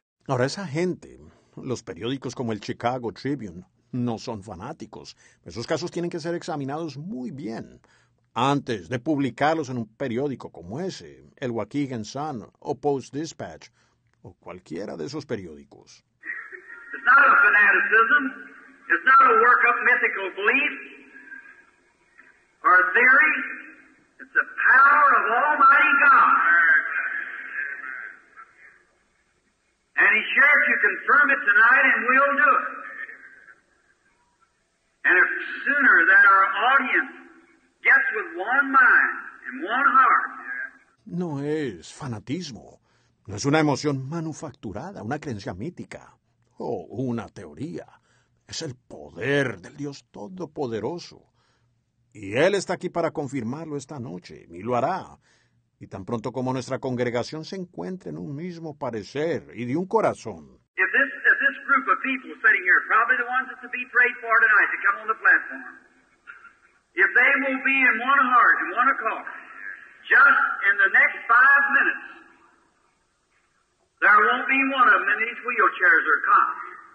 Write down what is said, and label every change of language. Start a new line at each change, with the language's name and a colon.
Spanish: Ahora esa gente, los periódicos como el Chicago Tribune, no son fanáticos. Esos casos tienen que ser examinados muy bien antes de publicarlos en un periódico como ese, el Waukegan Sun o Post Dispatch o cualquiera de esos periódicos.
English: It's not a fanaticism. It's not a work-up mythical belief or a theory. It's the power of Almighty God. And He's sure to confirm it tonight and we'll do it. And if sooner that our audience gets with one mind and one heart.
Spanish: No es fanatismo. No es una emoción manufacturada, una creencia mítica o una teoría. Es el poder del Dios Todopoderoso. Y Él está aquí para confirmarlo esta noche y lo hará. Y tan pronto como nuestra congregación se encuentre en un mismo parecer y de un corazón.
English: If this group of people sitting here, probably the ones that will be prayed for tonight to come on the platform, if they will be in one heart and one accord, just in the next 5 minutes, there won't be one of them in these wheelchairs or cots.